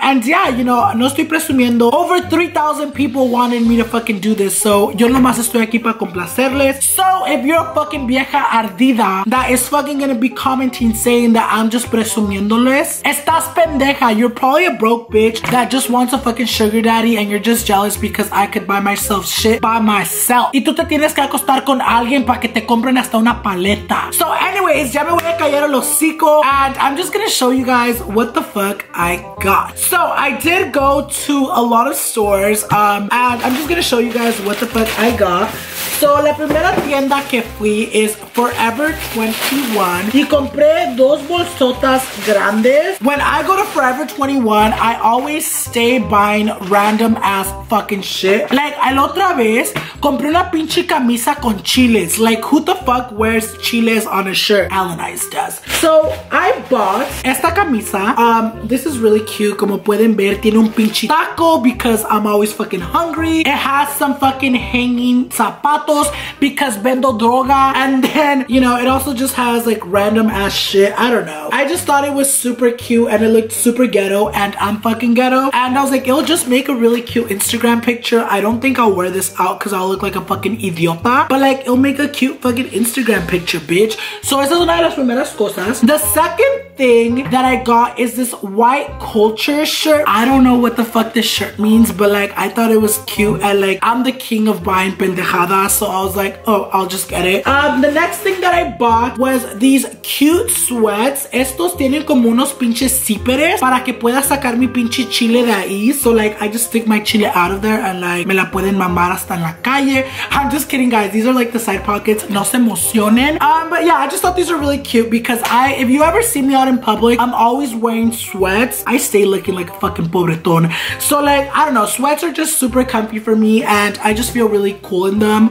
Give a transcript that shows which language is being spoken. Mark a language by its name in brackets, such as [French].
[English] And yeah, you know, [Spanish] no estoy presumiendo. [English] Over 3,000 people wanted me to fucking do this, so [Spanish] yo nomás estoy aquí para complacerles. [English] So if you're a fucking [Spanish] vieja ardida [English] that is fucking gonna be commenting saying that I'm just presumiéndoles, [Spanish] estás pendeja. [English] You're probably a broke bitch that just wants a fucking sugar daddy, and you're just jealous because I could buy myself shit by myself. [Spanish] Y tú te tienes que acostar con alguien para que te compren hasta una paleta. [English] So anyways, [Spanish] ya me voy a callar el hocico, [English] and I'm just gonna show you guys what the fuck I got. So I did go to a lot of stores, and I'm just gonna show you guys what the fuck I got. [Spanish] So la primera tienda que fui is Forever 21, y compré dos bolsotas grandes. [English] When I go to Forever 21, I always stay buying random ass fucking shit. [Spanish] Like, la otra vez compré una pinche camisa con chiles. [English] Like, who the fuck wears chiles on a shirt? Alannized does. So I bought [Spanish] esta camisa. [English] This is really cute. [Spanish] Como pueden ver, tiene un pinche taco [English] because I'm always fucking hungry. It has some fucking hanging zapatos because [Spanish] vendo droga. [English] And then, you know, it also just has like random ass shit. I don't know. I just thought it was super cute and it looked super ghetto, and I'm fucking ghetto. And I was like, it'll just make a really cute Instagram picture. I don't think I'll wear this out because I'll look like a fucking idiota, but like it'll make a cute fucking Instagram picture, bitch. [Spanish] So esa es una de las primeras cosas. [English] The second thing that I got is this white culture shirt. I don't know what the fuck this shirt means, but like I thought it was cute, and like I'm the king of buying pendejadas, so I was like, oh, I'll just get it. The next thing that I bought was these cute sweats. [Spanish] Estos tienen como unos pinches zippers para que pueda sacar mi pinche chile de ahí. [English] So like I just stick my chile out of there and like [Spanish] me la pueden mamar hasta en la calle. [English] I'm just kidding guys, these are like the side pockets, [Spanish] no se emocionen. [English] But yeah, I just thought these were really cute because if you ever see me out in public, I'm always wearing sweats. I stay looking like a fucking pobretón. So like, I don't know, sweats are just super comfy for me, and I just feel really cool in them.